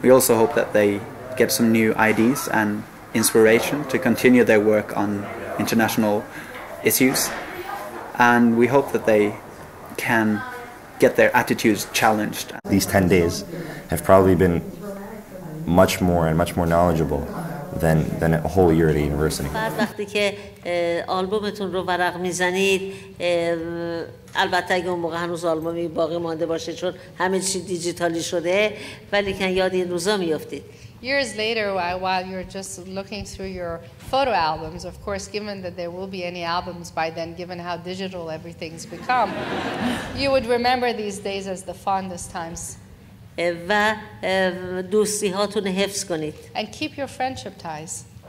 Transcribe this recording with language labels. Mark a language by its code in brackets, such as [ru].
[en] We also hope that they get some new ideas and inspiration to continue their work on international issues. And we hope that they can get their attitudes challenged. These 10 days have probably been much more and much more knowledgeable than a whole year at a university. [fa] بعد وقتی که آلبومتون رو ورق میزنید البته اگه اون موقع هنوز آلبومی باقی مانده باشه چون همه چی دیجیتالی شده ولی که یاد این روزا میافتید. [en] Years later, while you're just looking through your photo albums, of course, given that there will be any albums by then, given how digital everything's become, you would remember these days as the fondest times. And keep your friendship ties.